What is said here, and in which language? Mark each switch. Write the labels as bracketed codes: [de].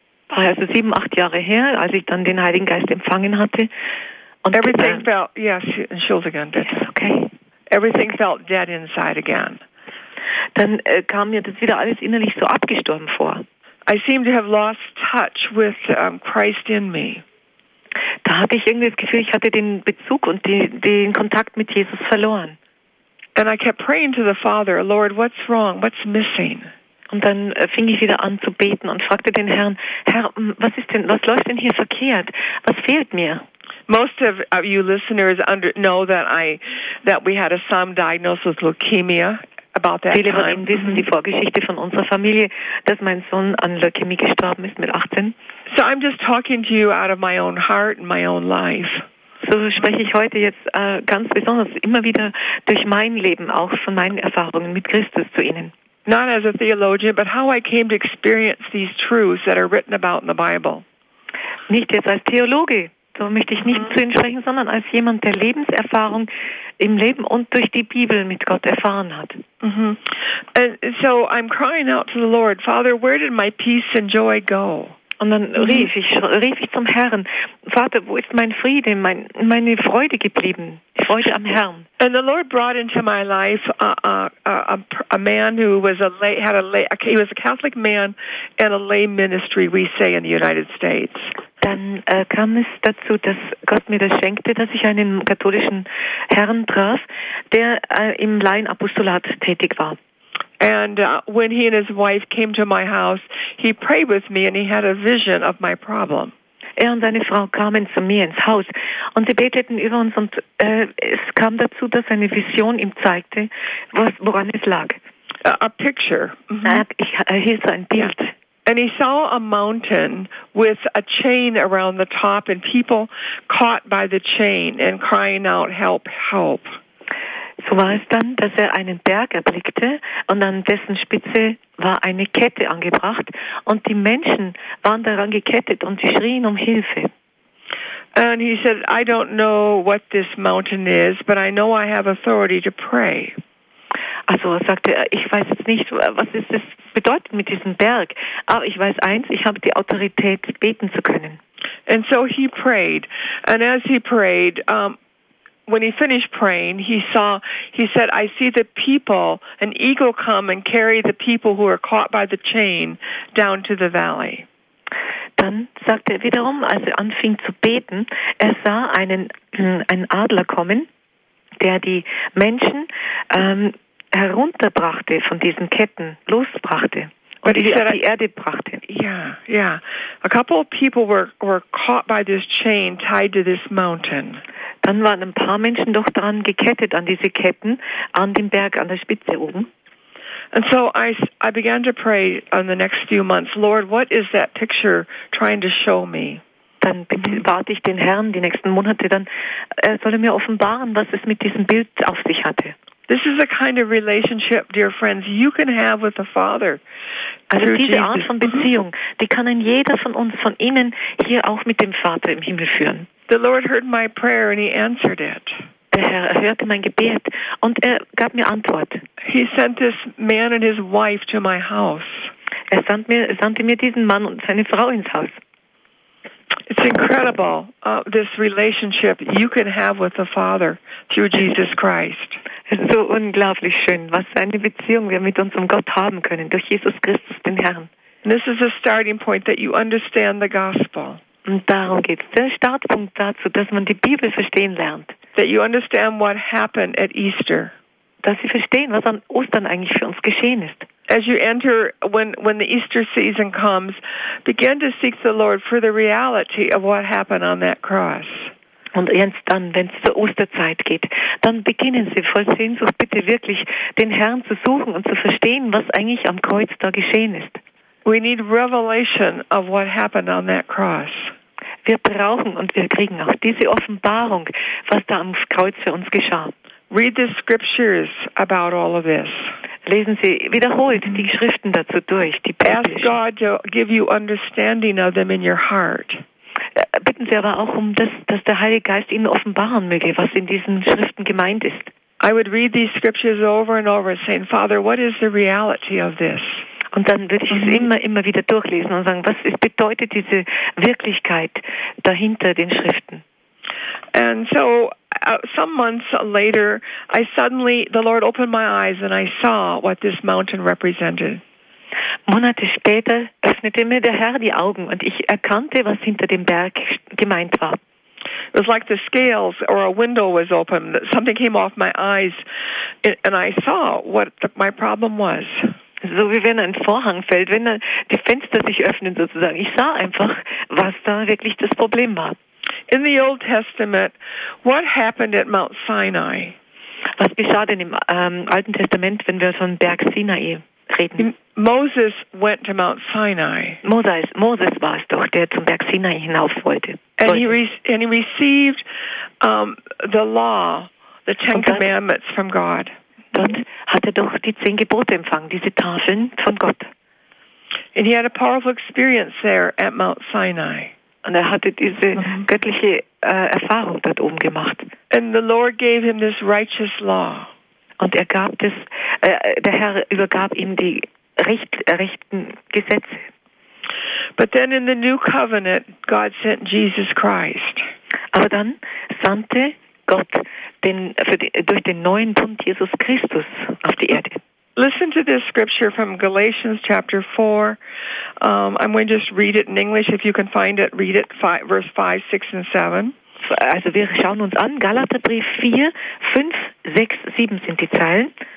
[de] also 7, 8 Jahre her, als ich dann den Heiligen Geist empfangen hatte, und [en] everything felt yes, and she was again dead. Okay. Everything felt dead inside again. [de] Dann kam mir das wieder alles innerlich so abgestorben vor. [en] I seem to have lost touch with Christ in me. [de] Da hatte ich irgendwie das Gefühl, ich hatte den Bezug und den Kontakt mit Jesus verloren. [en] And I kept praying to the Father, Lord, what's wrong? What's missing? [de] Und dann fing ich wieder an zu beten und fragte den Herrn, Herr, was läuft denn hier verkehrt? Was fehlt mir? [en] Most of you listeners know that we had a son diagnosed with leukemia. About that [de] Viele von Ihnen wissen die Vorgeschichte von unserer Familie, dass mein Sohn an Leukämie gestorben ist mit 18. [en] So I'm just talking to you out of my own heart and my own life. [de] So spreche ich heute jetzt ganz besonders immer wieder durch mein Leben, auch von meinen Erfahrungen mit Christus zu Ihnen. [en] Not as a theologian, but how I came to experience these truths that are written about in the Bible. [de] Nicht jetzt als Theologe, so möchte ich nicht zu Ihnen sprechen, sondern als jemand, der Lebenserfahrung im Leben und durch die Bibel mit Gott erfahren hat. [en] And so I'm crying out to the Lord, Father, where did my peace and joy go? [de] Und dann rief ich zum Herrn, Vater, wo ist mein Friede, meine Freude geblieben? Freude am Herrn. [en] And the Lord brought into my life a man who was he was a Catholic man and a lay ministry, we say in the United States. [de] Dann kam es dazu, dass Gott mir das schenkte, dass ich einen katholischen Herrn traf, der im Laienapostolat tätig war. [en] And when he and his wife came to my house, he prayed with me and he had a vision of my problem. [de] Er und seine Frau kamen zu mir ins Haus und sie beteten über uns und es kam dazu, dass eine Vision ihm zeigte, woran es lag. [en] A picture. [de] Hier ist ein Bild. [en] And he saw a mountain with a chain around the top and people caught by the chain and crying out, help, help. [de] So war es dann, dass er einen Berg erblickte und an dessen Spitze war eine Kette angebracht und die Menschen waren daran gekettet und sie schrien um Hilfe. [en] And he said, I don't know what this mountain is, but I know I have authority to pray. [de] Also sagte er, ich weiß jetzt nicht, was ist das bedeutet mit diesem Berg, aber ich weiß eins, ich habe die Autorität, beten zu können. [en] And so he prayed. And as he prayed, when he finished praying, he said, I see the people, an eagle come and carry the people who are caught by the chain down to the valley. [de] Dann sagte er wiederum, als er anfing zu beten, er sah einen Adler kommen, der die Menschen herunterbrachte von diesen Ketten, losbrachte und sie auf die Erde brachte. [en] Yeah. A couple of people were caught by this chain tied to this mountain. [de] Dann waren ein paar Menschen doch dran gekettet an diese Ketten an dem Berg an der Spitze oben. [en] And so I began to pray on the next few months, Lord, what is that picture trying to show me? [de] Dann bat ich den Herrn die nächsten Monate, dann soll er mir offenbaren, was es mit diesem Bild auf sich hatte. [en] This is the kind of relationship, dear friends, you can have with the Father. [de] Also diese Art von Beziehung, die kann ein jeder von uns, von Ihnen, hier auch mit dem Vater im Himmel führen. [en] The Lord heard my prayer and he answered it. [de] Der Herr hörte mein Gebet und er gab mir Antwort. [en] He sent this man and his wife to my house. [de] Er sandte mir diesen Mann und seine Frau ins Haus. [en] It's incredible, this relationship you can have with the Father through Jesus Christ. [de] So unglaublich schön, was eine Beziehung wir mit unserem Gott haben können, durch Jesus Christus, den Herrn. [en] This is a starting point that you understand the gospel. [de] Und darum geht es, der Startpunkt dazu, dass man die Bibel verstehen lernt. [en] That you understand what happened at Easter. [de] Dass sie verstehen, was an Ostern eigentlich für uns geschehen ist. [en] As you enter, when the Easter season comes, begin to seek the Lord for the reality of what happened on that cross. [de] Und jetzt dann, wenn es zur Osterzeit geht, dann beginnen Sie voll Sehnsucht bitte wirklich den Herrn zu suchen und zu verstehen, was eigentlich am Kreuz da geschehen ist. [en] We need revelation of what happened on that cross. [de] Wir brauchen und wir kriegen auch diese Offenbarung, was da am Kreuz für uns geschah. [en] Read the scriptures about all of this. [de] Lesen Sie wiederholt die Schriften dazu durch. Die [en] Ask God to give you understanding of them in your heart. [de] Bitten Sie aber auch um das, dass der Heilige Geist Ihnen offenbaren möge, was in diesen Schriften gemeint ist. [en] I would read these scriptures over and over, saying, Father, what is the reality of this? [de] Und dann würde ich es immer wieder durchlesen und sagen, was bedeutet diese Wirklichkeit dahinter den Schriften? [en] And so, some months later, I suddenly, the Lord opened my eyes and I saw what this mountain represented. [de] Monate später öffnete mir der Herr die Augen und ich erkannte, was hinter dem Berg gemeint war. [en] It was like the scales or a window was open. Something came off my eyes and I saw what my problem was. [de] So wie wenn ein Vorhang fällt, wenn die Fenster sich öffnen sozusagen. Ich sah einfach, was da wirklich das Problem war. [en] In the Old Testament, what happened at Mount Sinai? [de] Was geschah denn im Alten Testament, wenn wir von Berg Sinai reden? [en] Moses went to Mount Sinai. [de] Moses war es doch, der zum Berg Sinai hinauf wollte. [en] And he received the law, the Ten Commandments from God. [de] Dort hat er doch die 10 Gebote empfangen, diese Tafeln von Gott. [en] And he had a powerful experience there at Mount Sinai. [de] Und er hatte diese göttliche Erfahrung dort oben gemacht. [en] And the Lord gave him this righteous law. [de] Und er gab das, der Herr übergab ihm die rechten Gesetze. [en] But then in the new covenant, God sent Jesus Christ. [de] Aber dann sandte Gott durch den neuen Bund Jesus Christus auf die Erde. [en] Listen to this scripture from Galatians chapter 4. I'm going to just read it in English. If you can find it, read it, verse 5, 6 and 7. [de] Also wir schauen uns an, Galaterbrief 4, 5, 6, 7 sind die Zeilen.